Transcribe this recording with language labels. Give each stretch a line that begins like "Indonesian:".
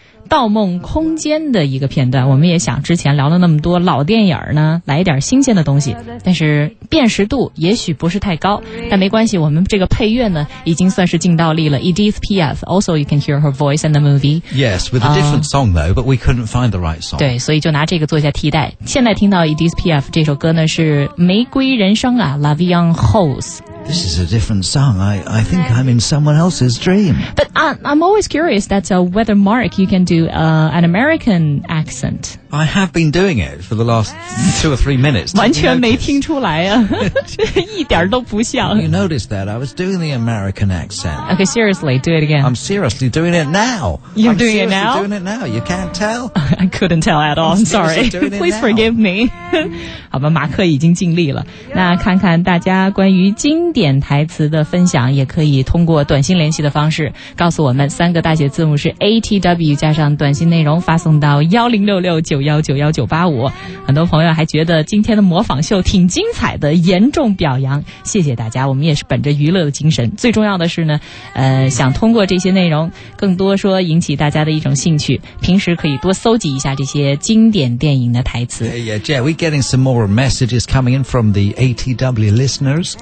Chinese: 《盗梦空间》的一个片段。我们也想之前聊了那么多老电影呢，来一点新鲜的东西，但是辨识度也许不是太高，但没关系，我们这个配乐呢已经算是尽到力了。
English: Edith Piaf, also you can hear her voice in the movie. Yes, with a different song though, but we couldn't find the right song.
Chinese: 对，所以就拿这个做一下替代。现在听到 Edith Piaf 这首歌呢是《玫瑰人生》啊， La Vie en Rose。
English: This is a different song. I think I'm in someone else's dream. But I'm always curious that, whether Mark, you can do, an American accent. I have been doing it for the last 2 or 3 minutes.
Chinese: 完全没听出来啊，一点都不像。
English: You noticed that? I was doing the American accent. Okay, seriously, do it again. I'm seriously doing it now. You're doing it now? I'm doing it now. You can't tell? I couldn't tell at all. I'm sorry. Please forgive me.
Chinese: 好吧，马克已经尽力了。那看看大家关于经典台词的分享，也可以通过短信联系的方式告诉我们，三个大写字母是 ATW 加上短信内容发送到10669191985。很多朋友还觉得今天的模仿秀挺精彩的，严重表扬，谢谢大家。我们也是本着娱乐的精神，最重要的是呢，想通过这些内容更多说引起大家的一种兴趣，平时可以多搜集一下这些经典电影的台词。
English: Yeah, Jay, we're getting some more messages coming in from the ATW listeners.